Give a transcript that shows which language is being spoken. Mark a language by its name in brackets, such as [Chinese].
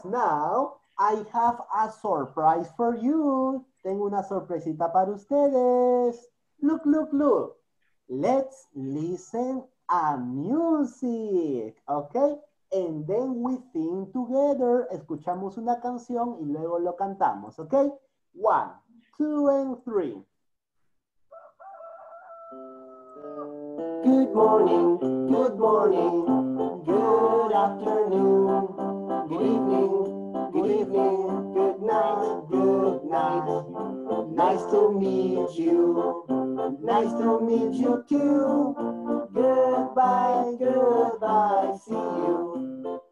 [English] Now I have a surprise for you. [Spanish] Tengo una sorpresita para ustedes. [English] Look, look, look. Let's listen a music, okay? And then we sing together. [Spanish] Escuchamos una canción y luego lo cantamos, okay? [English] One, two, and three. Good morning, good morning, good afternoon, good evening. Good evening, good night, nice to meet you, nice to meet you too, goodbye, goodbye, see you.